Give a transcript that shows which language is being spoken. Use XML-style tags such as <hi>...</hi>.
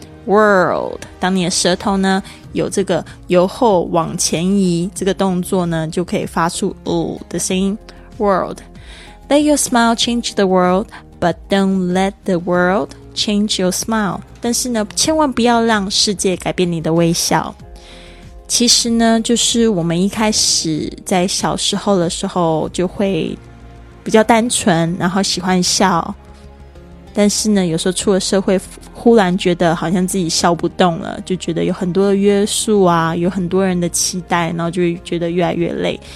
<zh>world， 当你的舌头呢有这个由后往前移这个动作呢，就可以发出 的声音。</zh> <en>world， Let your smile change the world, but don't let the world change your smile.</en> <zh>但是呢千万不要让世界改变你的微笑。其实呢就是我们一开始在小时候的时候就会比较单纯，然后喜欢笑，但是呢有时候出了社会忽然觉得好像自己笑不动了，就觉得有很多的约束啊，有很多人的期待，然后就觉得越来越累。</zh>